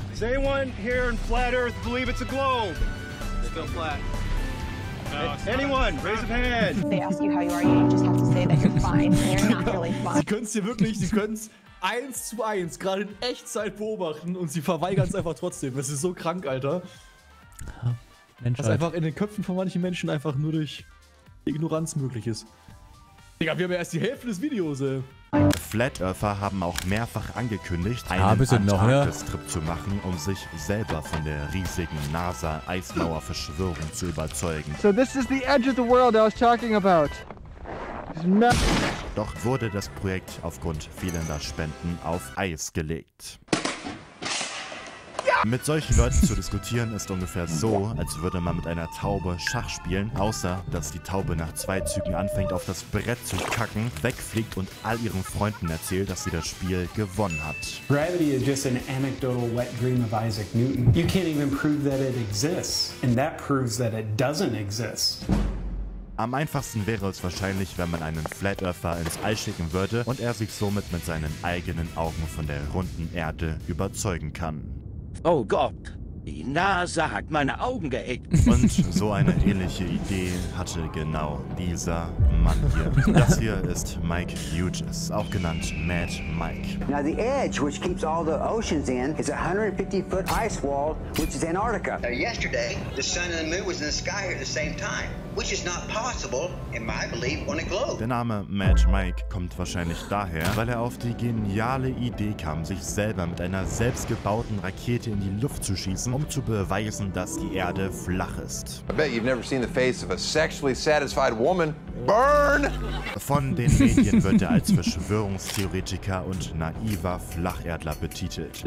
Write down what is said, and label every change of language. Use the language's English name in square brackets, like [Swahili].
[English] Does anyone here in flat earth believe it's a globe? Still flat. Anyone, raise a hand. They ask you how you are, you just have to say that you're fine. You're not really fine. [German] Sie können es dir wirklich, sie können es 1:1 gerade in Echtzeit beobachten und sie verweigern es einfach trotzdem. Das ist so krank, Alter. Mensch, was einfach in den Köpfen von manchen Menschen einfach nur durch Ignoranz möglich ist. Digga, wir haben ja erst die Hälfte des Videos, ey. Flat Earther haben auch mehrfach angekündigt, einen Antarktis-Trip zu machen, um sich selber von der riesigen NASA-Eismauer-Verschwörung zu überzeugen. [English] So this is the edge of the world I was talking about. [German] Doch wurde das Projekt aufgrund fehlender Spenden auf Eis gelegt. Mit solchen Leuten zu diskutieren ist ungefähr so, als würde man mit einer Taube Schach spielen, außer dass die Taube nach 2 Zügen anfängt auf das Brett zu kacken, wegfliegt und all ihren Freunden erzählt, dass sie das Spiel gewonnen hat. [English] Gravity is just an anecdotal wet dream of Isaac Newton. You can't even prove that it exists, and that proves that it doesn't exist. [German] Am einfachsten wäre es wahrscheinlich, wenn man einen Flat Earther ins All schicken würde und er sich somit mit seinen eigenen Augen von der runden Erde überzeugen kann. Oh Gott, die NASA hat meine Augen geeckt. Und so eine ähnliche Idee hatte genau dieser Mann hier. Das hier ist Mike Hughes, auch genannt Mad Mike. [English] Now the edge, which keeps all the oceans in, is a 150-foot ice wall, which is Antarctica. Yesterday, the sun and the moon was in the sky at the same time, which is not possible, in my belief, on a globe. [German] Der Name Mad Mike kommt wahrscheinlich daher, weil er auf die geniale Idee kam, sich selber mit einer selbstgebauten Rakete in die Luft zu schießen, um zu beweisen, dass die Erde flach ist. [English] I bet you've never seen the face of a sexually satisfied woman burn! [German] Von den Medien wird er als Verschwörungstheoretiker und naiver Flacherdler betitelt.